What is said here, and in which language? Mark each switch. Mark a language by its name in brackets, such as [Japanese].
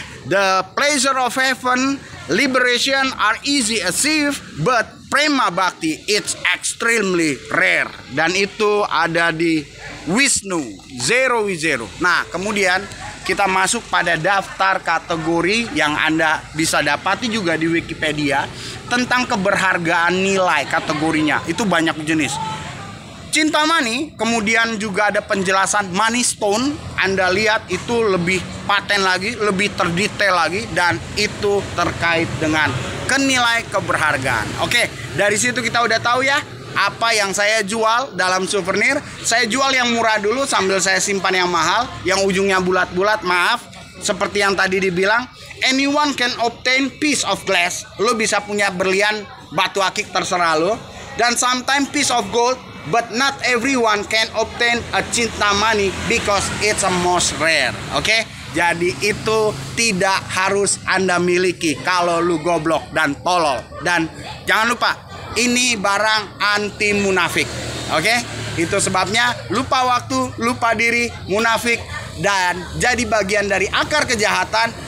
[English] The pleasure of heaven, liberation are easy achieve, but prema bhakti it's extremely rare. [Indonesian] Dan itu ada di Wisnu, Zero Wisnu. Nah, kemudian kita masuk pada daftar kategori yang Anda bisa dapati juga di Wikipedia tentang keberhargaan nilai kategorinya. Itu banyak jenis. Cintamani, kemudian juga ada penjelasan money stone. Anda lihat itu lebih paten lagi, lebih terdetail lagi, dan itu terkait dengan kenilai keberhargaan. Oke, dari situ kita udah tahu ya apa yang saya jual dalam souvenir. Saya jual yang murah dulu sambil saya simpan yang mahal, yang ujungnya bulat-bulat. Maaf, seperti yang tadi dibilang, [English] anyone can obtain piece of glass. [Indonesian] Lo bisa punya berlian batu akik, terserah lo. [English] Dan sometimes piece of gold, but not everyone can obtain a cintamani because it's a most rare. [Indonesian] Oke, jadi itu tidak harus Anda miliki kalau lu goblok dan tolol. Dan jangan lupa, ini barang anti munafik. Oke, itu sebabnya lupa waktu, lupa diri, munafik, dan jadi bagian dari akar kejahatan.